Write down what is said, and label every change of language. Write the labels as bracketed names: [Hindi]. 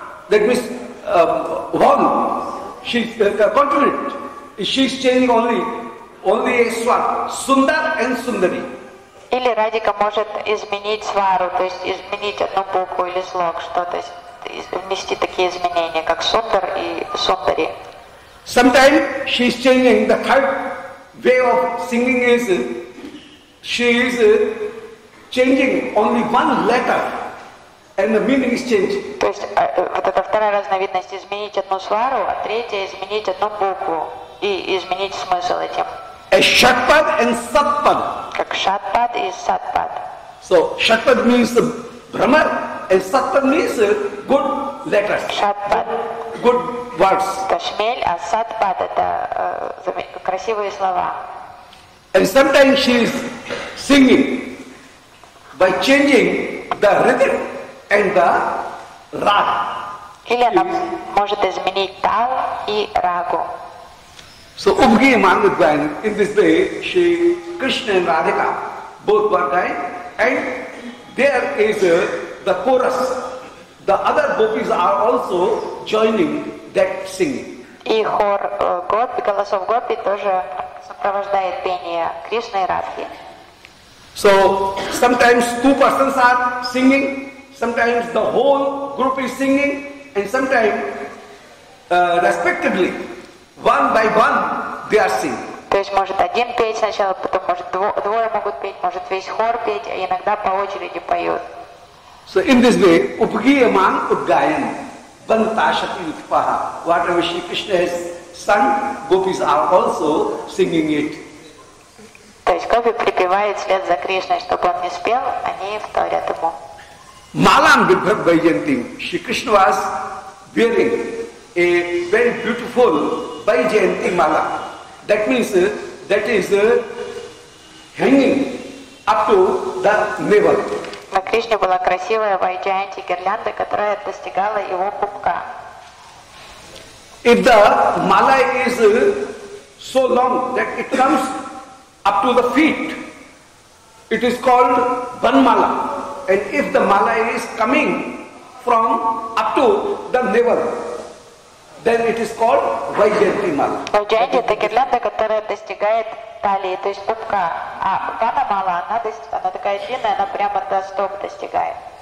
[English] That means one. She's confident. She is chanting only a swar. Sundar and Sundari. [Russian] Или Радика может изменить свару, то есть изменить одну букву или слог, что-то, внести такие изменения, как сундар и сундари. [English] Sometimes she is changing. The third way of singing is she is changing only one letter and the meaning is changed. [Russian] То есть вот это вторая разновидность, изменить одну свару, а третья изменить одну букву и изменить смысл этим. [English] Шатпад and Сатпад. [Russian] Как Шатпад и Сатпад. [English] So Шатпад means Брамар and Сатпад means good letters. Шатпад. Good words. [Russian] Это шмель, а Сатпад это красивые слова. [English] And sometimes she is singing by changing the rhythm and the rag. [Russian] Или она может изменить тал и рагу. [English] So Ubhi Mangudvayan, in this day, Shri Krishna and Radhika both were dying, and there is the chorus. The other gopis are also joining that singing. [Russian] И хор гопи, голосов гопи тоже сопровождает пение Кришны и Радхи. [English] So sometimes two persons are singing, sometimes the whole group is singing, and sometimes respectively. One by one, they are singing. [Russian] То есть может один петь сначала, потом может двое могут петь, может весь хор петь, а иногда по очереди поют. [English] So in this way, [Sanskrit] upgiyaman udgayan bantashati utpaha. [English] Whatever Shri Krishna has sung, gopis are also singing it. [Russian] То есть гопи припевают вслед за Кришной, чтобы он не спел, они вторят ему. [Sanskrit] Malam vibhavayanti. [English] Shri Krishna was wearing a very beautiful Vaijayanti mala. That means that is hanging up to the navel. [Russian] На Кришне была красивая Vaijayanti гирлянда, которая достигала его пупка. [English] If the mala is so long that it comes up to the feet, it is called Vanmala. And if the mala is coming from up to the navel, then it is called Vaijayanti mala. [Russian] Vaijayanti это гирлянда, которая достигает талии, то есть пупка. А Ванна мала, она такая длинная, она прямо до стоп достигает.